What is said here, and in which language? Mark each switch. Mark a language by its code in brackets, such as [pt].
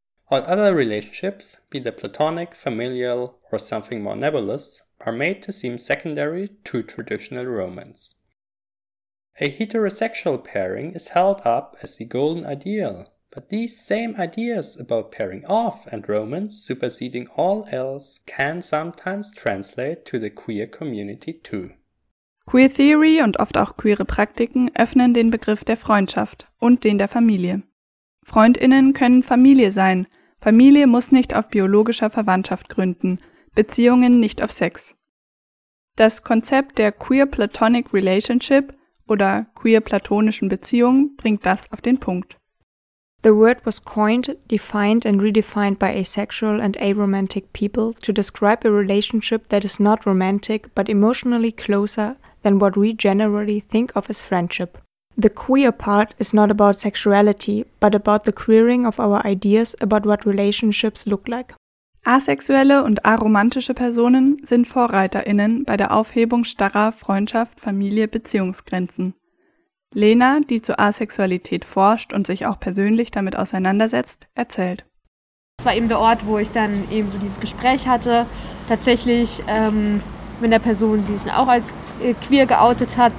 [en] All other relationships, be they platonic, familial or something more nebulous, are made to seem secondary to traditional romance. A heterosexual pairing is held up as the golden ideal, But these same ideas about pairing off and romance superseding all else can sometimes translate to the queer community too. [de] Queer Theory und oft auch queere Praktiken öffnen den Begriff der Freundschaft und den der Familie. FreundInnen können Familie sein, Familie muss nicht auf biologischer Verwandtschaft gründen, Beziehungen nicht auf Sex. Das Konzept der Queer Platonic Relationship oder queer platonischen Beziehung bringt das auf den Punkt. [en] The word was coined, defined and redefined by asexual and aromantic people to describe a relationship that is not romantic but emotionally closer than what we generally think of as friendship. The queer part is not about sexuality, but about the queering of our ideas about what relationships look like. [de] Asexuelle und aromantische Personen sind VorreiterInnen bei der Aufhebung starrer Freundschaft-Familie-Beziehungsgrenzen. Lena, die zu Asexualität forscht und sich auch persönlich damit auseinandersetzt, erzählt. Das war eben der Ort, wo ich dann eben so dieses Gespräch hatte. Tatsächlich mit der Person, die sich auch als queer geoutet hat.